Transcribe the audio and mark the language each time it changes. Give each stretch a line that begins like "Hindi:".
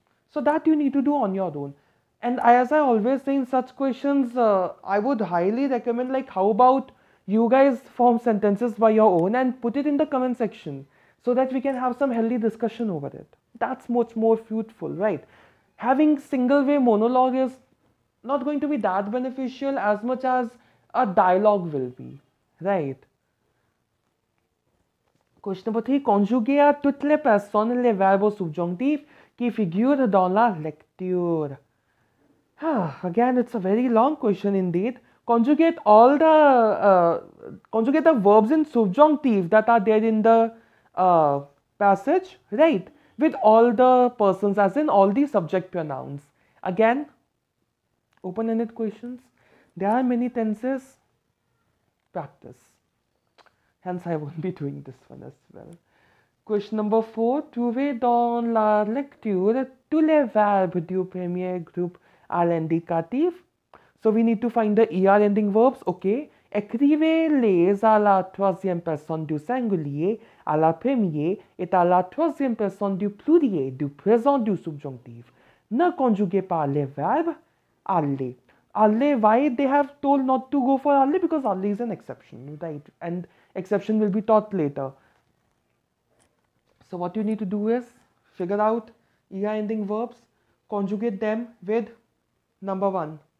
English: So that you need to do on your own. And as I always say in such questions, I would highly recommend, like, how about you guys form sentences by your own and put it in the comment section so that we can have some healthy discussion over it. That's much more fruitful, right? Having single way monologue is not going to be that beneficial as much as a dialogue will be, right?
French: Question number three, conjuguer toutes les personnes les verbes subjonctifs qui figurent dans la lecture.
English: Again, it's a very long question indeed. Conjugate all the conjugate the verbs in subjonctive that are there in the passage, right? With all the persons, as in all the subject pronouns. Again, open-ended questions. There are many tenses. Practice. Hence, I won't be doing this one as well. Question number four.
French: Trouvez dans la lecture tous les verbes du premier groupe à l'indicatif.
English: So, we need to find the ER ending verbs. Okay.
French: Écrivez-les à la troisième personne du singulier, à la première et à la troisième personne du plurier du présent du subjonctif. Ne conjuguez pas les verbes aller.
English: Aller, why they have told not to go for aller? Because aller is an exception, right? And exception will be taught later. So what you need to do is figure out ER ending verbs, conjugate them with number one.